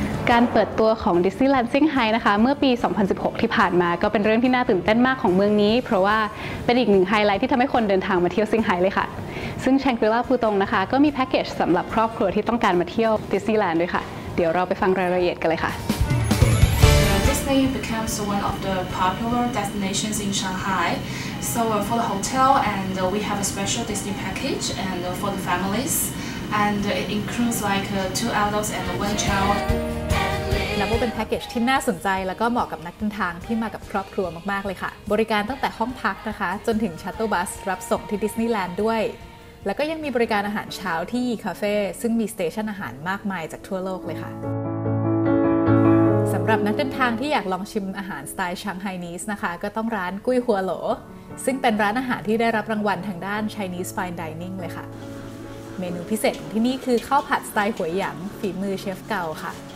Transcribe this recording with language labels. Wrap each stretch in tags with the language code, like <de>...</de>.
<th>การเปิดตัวของดิสนีย์แลนด์เซี่ยงไฮ้นะคะเมื่อปี2016ที่ผ่านมาก็เป็นเรื่องที่น่าตื่นเต้นมากของเมืองนี้เพราะว่าเป็นอีกหนึ่งไฮไลท์ที่ทำให้คนเดินทางมาเที่ยวเซี่ยงไฮ้เลยค่ะซึ่งแชงกรีลาปูตงนะคะก็มีแพ็กเกจสำหรับครอบครัวที่ต้องการมาเที่ยวดิสนีย์แลนด์ด้วยค่ะเดี๋ยวเราไปฟังรายละเอียดกันเลยค่ะ</th> <en>Disney becomes one of the popular destinations in Shanghai. So for the hotel, and we have a special Disney package, and for the families, and it includes like two adults and one child.</en> <th>นับว่าเป็นแพ็กเกจที่น่าสนใจแล้วก็เหมาะกับนักเดินทางที่มากับครอบครัวมากๆเลยค่ะบริการตั้งแต่ห้องพักนะคะจนถึงชัตเตอร์บัสรับส่งที่ดิสนีย์แลนด์ด้วยแล้วก็ยังมีบริการอาหารเช้าที่ยีคาเฟ่ซึ่งมีสเตชันอาหารมากมายจากทั่วโลกเลยค่ะสำหรับนักเดินทางที่อยากลองชิมอาหารสไตล์ชางไฮนีสนะคะก็ต้องร้านกุ้ยหัวโหลซึ่งเป็นร้านอาหารที่ได้รับรางวัลทางด้าน Chinese Fine Dining เลยค่ะเมนูพิเศษของที่นี่คือข้าวผัดสไตล์หัวหยางฝีมือเชฟเก่าค่ะ</th>